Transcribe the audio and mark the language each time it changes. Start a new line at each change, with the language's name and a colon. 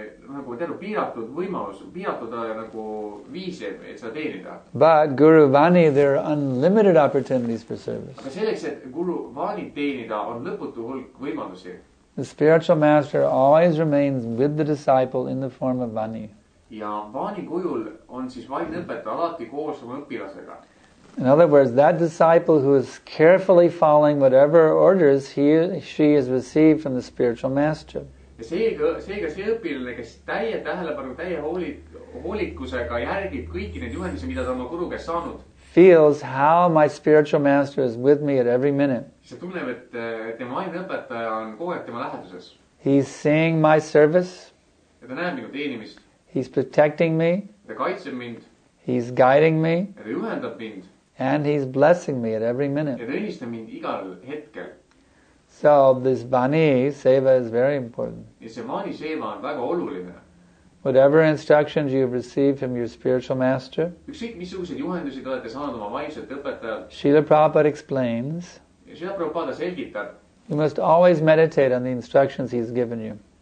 Estonian: nagu teru piiratud võimalus piiratuda nagu viise et sa teenida.
English: But Guru Vani there are unlimited opportunities for service.
Estonian: Aga selleks et Guru Vani teenida on lõputu hulk võimalusi.
English: The spiritual master always remains with the disciple in the form of Vani.
Estonian: Ja Vani kujul on siis vaimne õpetaja alati koos oma õpilasega.
English: In other words, that disciple who is carefully following whatever orders he she has received from the spiritual master.
Estonian: Ja seega see õpilane, kes täie tähelepanu, täie hoolikusega järgib kõiki need juhendusi, mida ta oma guru käest saanud.
English: Feels how my spiritual master is with me at every minute.
Estonian: See tunneb, et tema vaimne õpetaja on kogu aeg tema läheduses.
English: He's seeing my service.
Estonian: Ja ta näeb minu teenimist.
English: He's protecting me.
Estonian: Ta kaitseb mind.
English: He's guiding me.
Estonian: Ja ta juhendab mind.
English: And he's blessing me at every minute.
Estonian: Ja ta õnnistab mind igal hetkel.
English: So this Vani Seva is very important.
Estonian: Vani Seva on väga oluline.
English: Whatever instructions you have received from your spiritual master, Srila Prabhupada explains, you must always meditate on the instructions he's given you.